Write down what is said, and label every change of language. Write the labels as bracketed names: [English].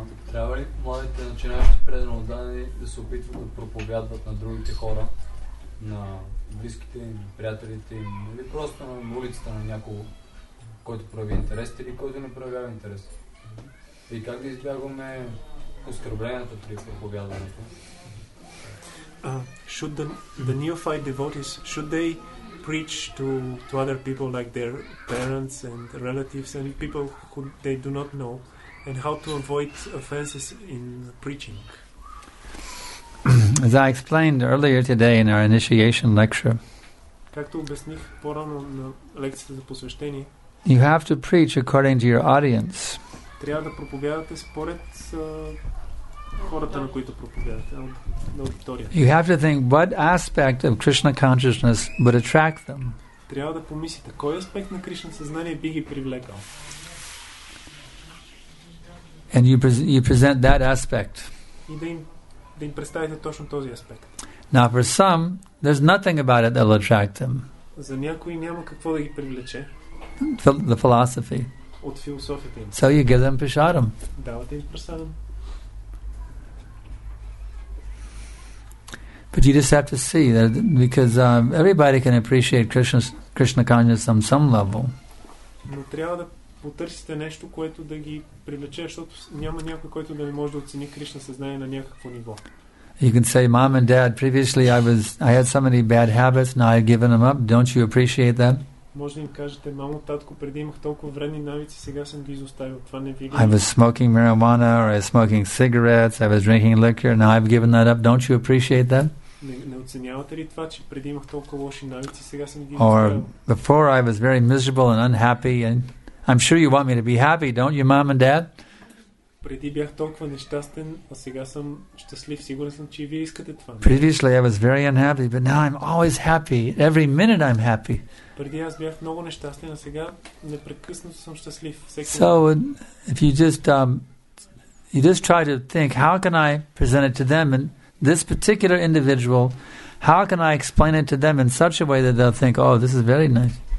[Bulgarian] Трябва ли младите начинащи преданодани да се опитват да проповядват на другите хора, на близките им, приятелите им, или просто на улицата на някого, който прояви интерес или който не проявява интерес? И как да избягваме оскърблението при проповядването? [English] Should the neophyte devotees, should they preach to other people like their parents and relatives and people who they do not know, and how to avoid offenses in preaching? As I explained earlier today in our initiation lecture, [Bulgarian] както обясних по-рано на лекцията за посвещение, [English] you have to preach according to your audience. [Bulgarian] Трябва да проповядвате според хората, на които проповядвате. [English] You have to think what aspect of Krishna consciousness would attract them. [Bulgarian] Трябва да помислите кой аспект на Кришна съзнание би ги привлекал. [English] And you present that aspect. [Bulgarian] И да им представите точно този аспект. [English] Now for some, there's nothing about it that will attract them. [Bulgarian] За някои няма какво да ги привлече. [English] The philosophy. [Bulgarian] От философията им. [English] So you give them prasadam. [Bulgarian] Давате им прасадам. [English] But you just have to see that because everybody can appreciate Krishna consciousness on some level. [Bulgarian] Но трябва да потърсите нещо, което да ги привлече, защото няма някой, който да не може да оцени Кришна съзнание на някакво ниво. [English] You can say, Mom and Dad, previously I had so many bad habits, now I've given them up. Don't you appreciate them? [Bulgarian] Може да им кажете, мамо, татко, преди имах толкова вредни навици, сега съм ги изоставил. Това не ви. [English] I was smoking marijuana, or I was smoking cigarettes, I was drinking liquor, now I've given that up. Don't you appreciate that? [Bulgarian] Не оценявате ли това, че преди имах толкова лоши навици, сега съм ги изоставил? [English] Or before I was very miserable and unhappy, and I'm sure you want me to be happy, don't you, Mom and Dad? [Bulgarian] Преди бях толкова нещастен, а сега съм щастлив. Сигурен съм, че и вие искате това. [English] Previously I was very unhappy, but now I'm always happy. Every minute I'm happy. [Bulgarian] Преди аз бях много нещастен, а сега непрекъснато съм щастлив. [English] So if you just try to think, how can I present it to them, and this particular individual, how can I explain it to them in such a way that they'll think, oh, this is very nice.